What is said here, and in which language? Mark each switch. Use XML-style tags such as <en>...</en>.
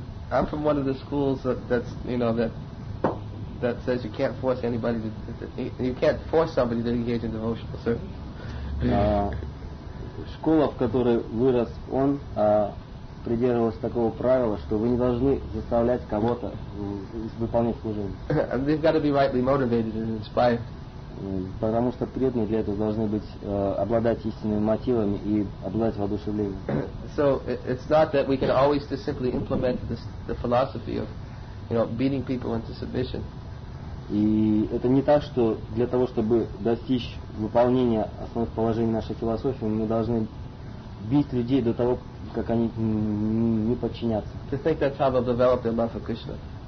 <en>I'm from one of the schools that's you know that says you can't force anybody to you can't force somebody to engage in devotional service.</en> <ru>Школа, в которой вырос он, придерживалась такого правила, что вы не должны заставлять кого-то выполнять служение.</ru> <en>And they've got to be rightly motivated and inspired.</en> <ru>Потому что преданные для этого должны быть обладать истинными мотивами и обладать воодушевлением.</ru> <en>So it's not that we can always just simply implement the philosophy of, you know, beating people into submission.</en> <ru>И это не так, что для того, чтобы достичь выполнения основных положений нашей философии, мы должны бить людей до того, как они не подчинятся.</ru> <en>To think that Prabhupada developed their love for Krishna.</en>